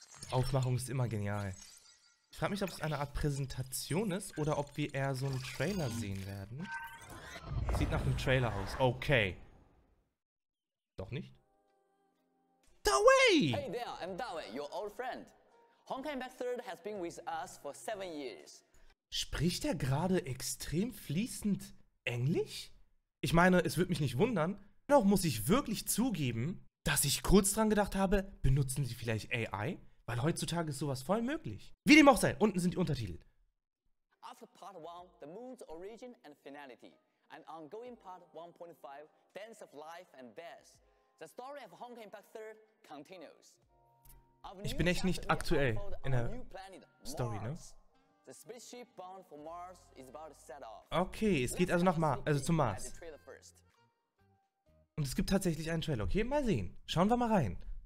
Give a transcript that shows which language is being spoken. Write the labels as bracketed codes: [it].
[de] Aufmachung ist immer genial. Ich frage mich, ob es eine Art Präsentation ist oder ob wir eher so einen Trailer sehen werden. Sieht nach einem Trailer aus. Okay. Doch nicht. Dawei! [en] Hey there, I'm Dawei, your old friend. Honkai Impact 3 has been with us for 7 years. [de] Spricht er gerade extrem fließend Englisch? Ich meine, es würde mich nicht wundern. Dennoch muss ich wirklich zugeben, dass ich kurz dran gedacht habe, benutzen sie vielleicht AI? Weil heutzutage ist sowas voll möglich. Wie dem auch sei, unten sind die Untertitel. [en] After part 1, the moon's origin and finality. And ongoing part 1.5, Dance of Life and Death. The story of Honkai Impact 3 continues. [de] Ich bin echt nicht aktuell in der Story, ne? [en] The spaceship bound for Mars is about to set off. [de] Okay, es geht also zum Mars. Und es gibt tatsächlich einen Trailer. Okay, mal sehen. Schauen wir mal rein.